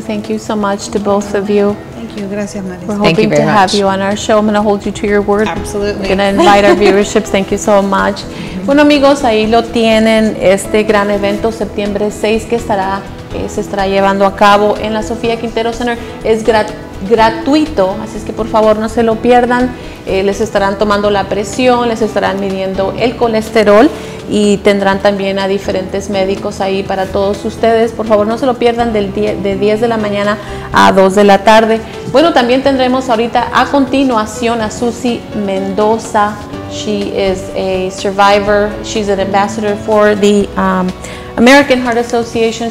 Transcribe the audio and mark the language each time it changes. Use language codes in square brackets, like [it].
[en] Thank you so much to both of you. Thank you. [es] Gracias, [en] Marisa. We're hoping to have you on our show. I'm going to hold you to your word. Absolutely. We're going to invite our viewerships. Thank you so much. [es] Bueno, amigos, ahí lo tienen, este gran evento, septiembre 6, que se estará llevando a cabo en la Sofía Quintero Center. Es gratuito, así es que por favor no se lo pierdan. Les estarán tomando la presión, les estarán midiendo el colesterol. y tendrán también a diferentes médicos ahí para todos ustedes. Por favor, no se lo pierdan de 10 de la mañana a 2 de la tarde. Bueno, también tendremos ahorita a continuación a Susy Mendoza. [en] She is a survivor. She's an ambassador for the American Heart Association.